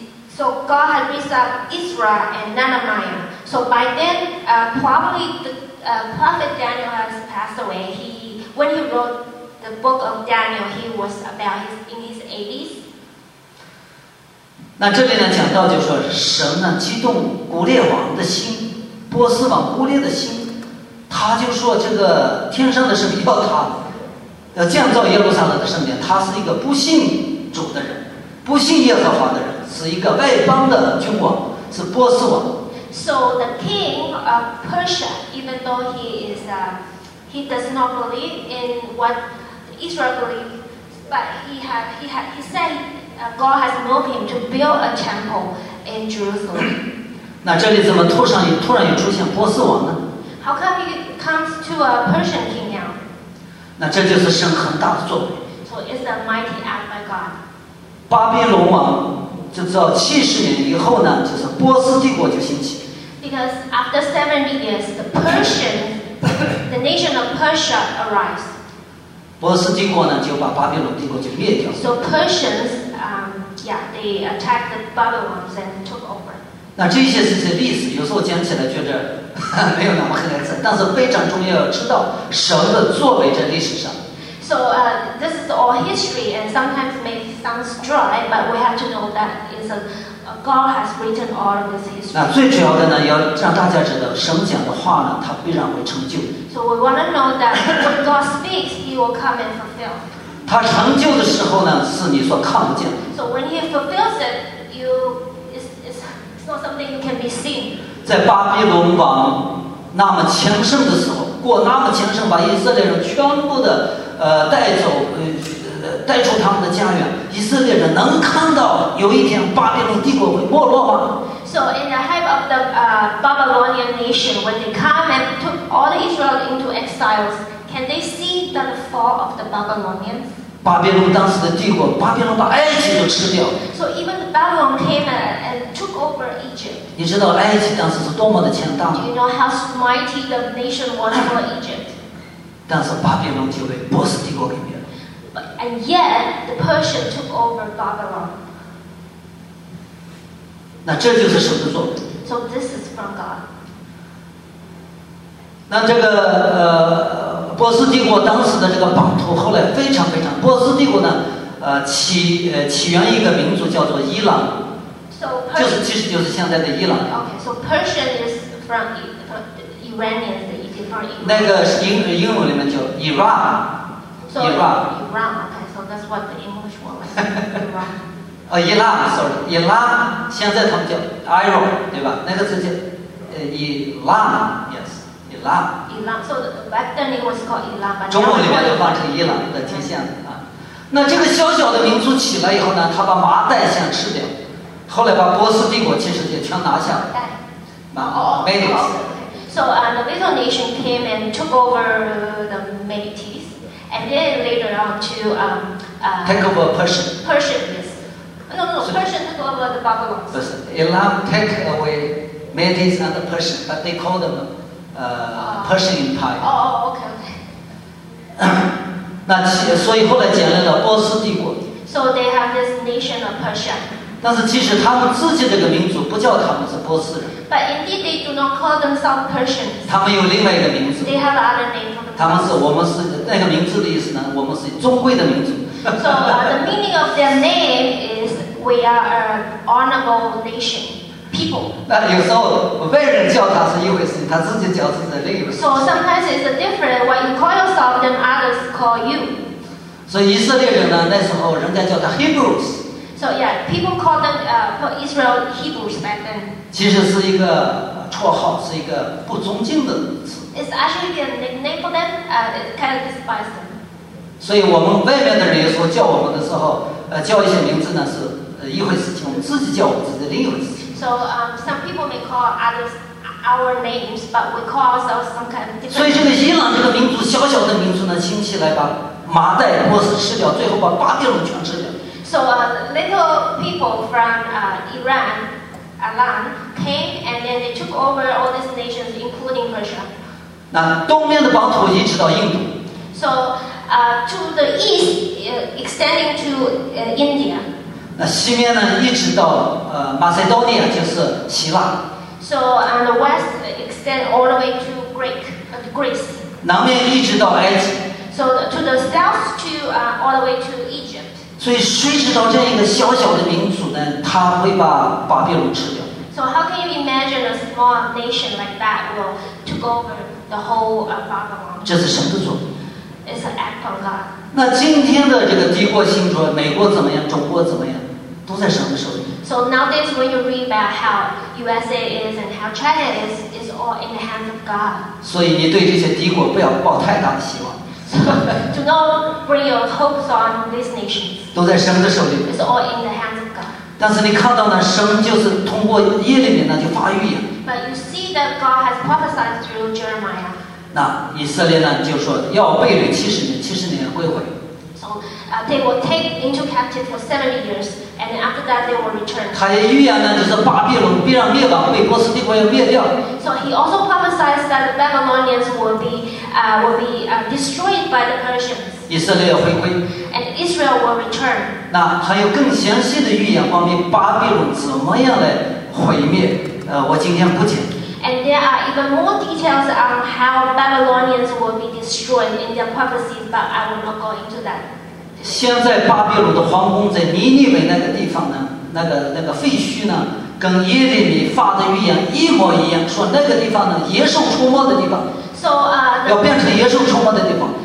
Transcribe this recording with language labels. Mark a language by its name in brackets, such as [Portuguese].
[English] So God had raised up Isra and Nehemiah. So by then, probably the prophet Daniel has passed away. When he wrote the book of Daniel, he was about in his 80s. [Chinese] 那这里呢，讲到就是说神呢激动古列王的心。波斯王乌列的心，他就说这个天上的神要他要建造耶路撒冷的圣殿，他是一个不信主的人，不信耶和华的人，是一个外邦的君王，是波斯王。 [English] So the king of Persia, even though he is, he does not believe in what Israel believes, but he said God has moved him to build a temple in Jerusalem. [Chinese] 那这里怎么突然又出现波斯王呢？ [English] How come he comes to a Persian king now? [Chinese] 那这就是神很大的作为。 [English] So it's a mighty act by God. [Chinese] 巴比伦王就知道70年以后呢，就是波斯帝国就兴起。 [English] Because after 70 years, the Persian, the nation of Persia arrives. [Chinese] 波斯帝国呢，就把巴比伦帝国就灭掉。 [English] So Persians, they attacked the Babylonians and took over. [Chinese] 那这些是些历史，有时候讲起来觉得没有那么黑暗色，但是非常重要，要知道神的作为在历史上。 [English] So this is all history, and sometimes may sound dry, but we have to know that it's a God has written all of this history. [Chinese] 那最主要的呢，要让大家知道神讲的话呢，他必然会成就。 [English] So we want to know that when God speaks, He will come and fulfill. [Chinese] 他成就的时候呢，是你所看不见。 [English] So when He fulfills it, it's not something you can be seen. [Chinese] 在巴比伦王那么强盛的时候，过那么强盛，把以色列人全部的带出他们的家园，以色列人能看到有一天巴比伦帝国会没落吗？ [English] So in the height of the Babylonian nation, when they come and took all the Israel into exiles, can they see the fall of the Babylonians? [Chinese] 巴比伦当时的帝国，巴比伦把埃及都吃掉。 [English] So even the Babylon came and took over Egypt. [Chinese] 你知道埃及当时是多么的强大吗？ [English] Do you know how mighty the nation was for Egypt? [Chinese] 但是巴比伦就被波斯帝国给灭了。 [English] And yet the Persian took over Babylon. [Chinese] 那这就是神的作为。 [English] So this is from God. [Chinese] 那这个波斯帝国当时的这个版图后来非常非常，波斯帝国呢，起源一个民族叫做伊朗， [English] so Persian, [Chinese] 就是现在的伊朗。 [English] Okay, so Persian is from Iranian. Iran. [Chinese] 那个是英文里面叫 Iran, [English] so, Iran. Iran, okay, so that's what the English word is. Iran. [Chinese] 哦，伊拉 ， [English] sorry, [Chinese] 伊拉，现在他们叫 Iran, 对吧？那个字叫伊拉 ， [English] yes, [Chinese] 伊拉。 [English] 伊拉 ，so back then it was called 伊拉， [Chinese] 中文里面就换成伊朗的体现了啊。那这个小小的民族起来以后呢，他把麻袋先吃掉，后来把波斯帝国其实也全拿下了。麻袋。麻袋。 [English] So the little nation came and took over the Medes, and then later on to take over Persian. Persian, yes. No, so, Persian took over the Babylon. Listen, Elam take away Medes and the Persian, but they call them Persian Empire. Okay. [Chinese] 所以后来建立了波斯帝国。 [English] So they have this nation of Persia. [Chinese] 但是其实他们自己这个民族不叫他们是波斯人。 [English] But indeed, they do not call themselves Persians. [Chinese] 他们有另外一个名字。 [English] They have another name. [Chinese] 他们是我们是那个名字的意思呢？我们是尊贵的民族。 [English] So the meaning of their name is we are an honorable nation, people. [Chinese] 那有时候外人叫他是一回事，他自己叫自己的另一回事。 [English] So sometimes it's different when you call yourself, then others call you. [Chinese] 所以以色列人呢，那时候人家叫他 Hebrews。 [English] So yeah, people call them for Israel Hebrews back then. [Chinese] 其实是一个绰号，是一个不尊敬的词。 [English] It's actually a nickname for them. It kind of despises them. [Chinese] 所以我们外面的人有时候叫我们的时候，叫一些名字呢是一回事情，我们自己叫我们自己另一回事。 [English] So some people may call others our names, but we call ourselves some kind of different. [Chinese] 所以这个伊朗这个民族小小的民族呢，兴起来把麻袋波斯吃掉，最后把巴比伦全吃掉。 [English] So little people from Iran, Iran came and then they took over all these nations, including Persia. [Chinese] 那东边的版图一直到印度。 [English] So to the east, extending to India. [Chinese] 那西面呢，一直到Macedonia, 就是希腊。 [English] So on the west, extend all the way to Greece. [Chinese] 南面一直到埃及。 [English] So to the south, to all the way to Egypt. [Chinese] 所以谁知道这样一个小小的民族呢，他会把巴比伦吃掉。 [English] So how can you imagine a small nation like that will took over the whole Babylon? [Chinese] 这是神的作为。 [English] It's an act of God. [Chinese] 那今天的这个帝国兴衰，美国怎么样，中国怎么样，都在神的手里。 [English] So So nowadays when you read about how USA is and how China is, it's all in the hands of God. [Chinese] 所以你对这些敌国不要抱太大的希望。 [English] Do not bring your hopes on these nations. [Chinese] 都在神的手里。 [English] It's all in the hands of God. [Chinese] 但是你看到呢，神就是通过耶利米呢就发预言。 [English] But you see that God has prophesied through Jeremiah. [Chinese] 那以色列呢就说要被掳70年归回。 [English] They will take into captive for 70 years, and after that they will return. [Chinese] 他也预言呢，就是巴比伦必让灭亡，被波斯帝国要灭掉。 [English] So he also prophesies that the Babylonians will be destroyed by the Persians. [Chinese] 以色列要回归。 [English] And Israel will return. [Chinese] 那还有更详细的预言，关于巴比伦怎么样来毁灭。我今天不讲。 [English] And there are even more details on how Babylonians will be destroyed in their prophecies, but I will not go into that. [Chinese] 现在巴比伦的皇宫在尼尼微那个地方呢，那个废墟呢，跟耶利米发的预言一模一样，说那个地方呢，野兽出没的地方。 [English] So, [Chinese] 要变成野兽出没的地方。